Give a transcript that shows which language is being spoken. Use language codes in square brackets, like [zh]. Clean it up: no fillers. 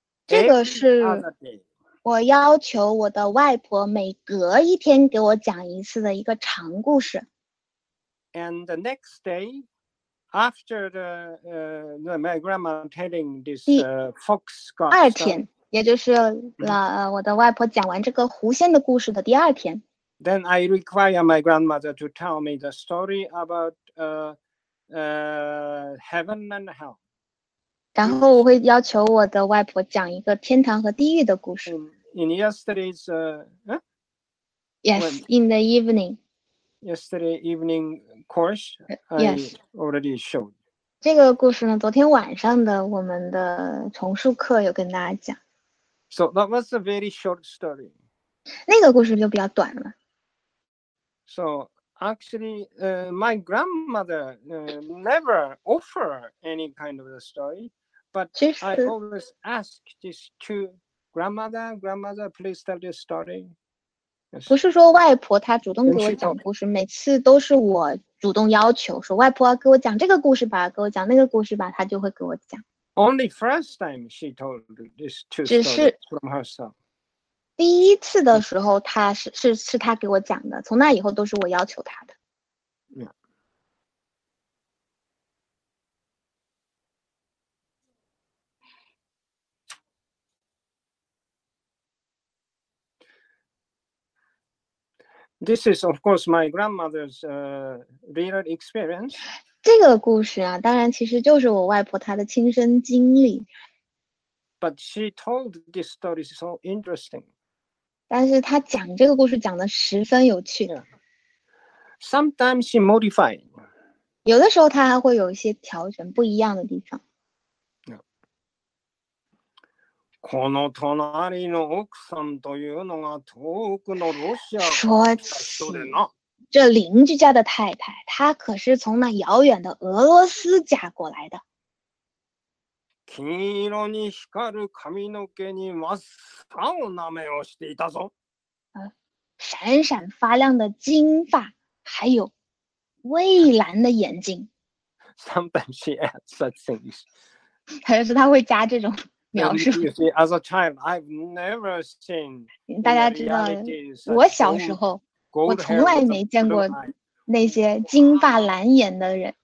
[zh] 这个是我要求我的外婆每隔一天给我讲一次的一个长故事。 [en] And the next day, after my grandma telling this fox story, [zh] 第二天，也就是我的外婆讲完这个狐仙的故事的第二天。 [en] Then I require my grandmother to tell me the story about heaven and hell. [zh] 然后我会要求我的外婆讲一个天堂和地狱的故事。 [en] In yesterday's yes, in the evening. Yesterday evening course, yes, already showed. [zh] 这个故事呢，昨天晚上的我们的重述课有跟大家讲。 [en] So that was a very short story. [zh] 那个故事就比较短了。 [en] So actually, my grandmother never offer any kind of a story, but I always ask this to grandmother, please tell this story. [zh] 不是说外婆她主动给我讲故事，每次都是我主动要求说外婆给我讲这个故事吧，给我讲那个故事吧，她就会给我讲。 [en] Only first time she told this two stories from herself. [zh] 第一次的时候他是他给我讲的，从那以后都是我要求他的。 [en] This is of course my grandmother's real experience. [zh] 这个故事啊，当然其实就是我外婆她的亲身经历。 [en] But she told this story so interesting. [zh] 但是他讲这个故事讲得十分有趣。 [en] Sometimes she modified. [zh] 有的时候他还会有一些调整不一样的地方。 [ja] この隣の奥さんというのが遠くのロシア。 [zh] 说起这邻居家的太太，她可是从那遥远的俄罗斯嫁过来的。 [ja] 金色に光る髪の毛に真っ青な目をしていたぞ。 [zh] 闪闪发亮的金发，还有蔚蓝的眼睛。 [en] Sometimes she adds such things. [zh] 还有是他会加这种描述。 [en] You see, as a child, I've never seen. [zh] 大家知道，我小时候，我从来没见过那些金发蓝眼的人。